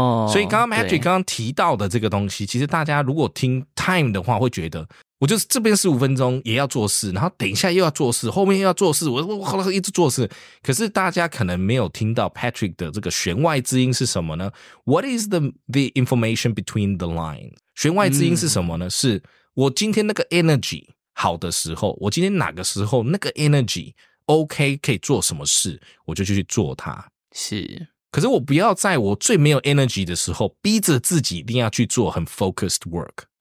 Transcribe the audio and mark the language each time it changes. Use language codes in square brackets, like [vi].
[zh] 所以刚刚 Patrick 刚刚提到的这个东西，其实大家如果听 time 的话会觉得我就是这边15分钟也要做事，然后等一下又要做事，后面又要做事， 我一直做事。可是大家可能没有听到 Patrick 的这个弦外之音是什么呢？ [en] What is the information between the line? [zh] 弦外之音是什么呢、是我今天那个 energy 好的时候，我今天哪个时候那个 energyOK， 可以做什么事我就去做它。是，可是我不要在我最没有 energy 的时候逼着自己一定要去做很 focused work。